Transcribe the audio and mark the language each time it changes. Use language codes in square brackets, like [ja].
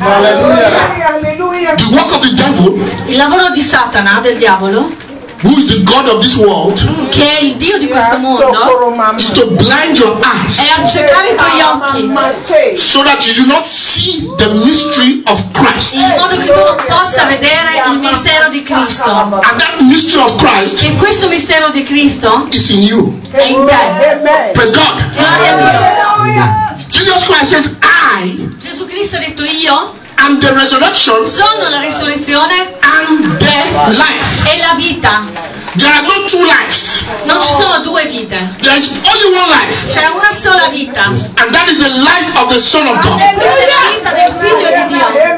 [en] Hallelujah. The work of the devil, [it] il lavoro di Satana, del diavolo, [en] who is the god of this world, [it] che è il dio di questo mondo, [en] is to blind your eyes, [it] è accecare i tuoi occhi, [en] so that you do not see the mystery of Christ, [it] in modo che tu non possa vedere il mistero di Cristo. [en] And that mystery of Christ, [it] e questo mistero di Cristo, [en] is in you, [it] è in te. [en] Praise God. [it] Gloria a Dio. [en] Jesus Christ says, I, [it] Gesù Cristo ha detto, io [en] I'm the resurrection, [it] sono la risurrezione, [en] and the life, [it] e la vita. [en] There are no two lives, [it] non ci sono due vite. [en] There is only one life, [it] c'è una sola vita. [en] And that is the life of the Son of God. [it] E questa è la vita del Figlio di Dio.